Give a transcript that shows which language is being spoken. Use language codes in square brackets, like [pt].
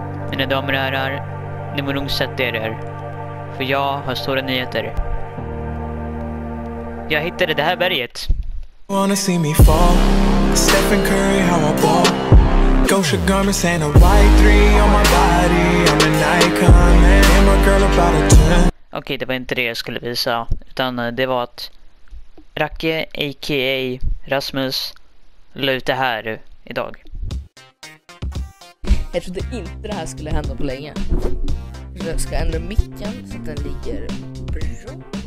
[sv] Mina damer och herrar, ni må nog sätta er här, för jag har stora nyheter. Jag hittade det här berget. [en] Wanna see me fall? Stephen Curry, how I ball. Gosha garments and a white three on my body. I'm an icon and my girl about a ten. [sv] Okej, det var inte det jag skulle visa, utan det var att Racke, a.k.a. Rasmus, la ut det här idag. Jag trodde inte det här skulle hända på länge. Jag ska ändra micken så att den ligger bra.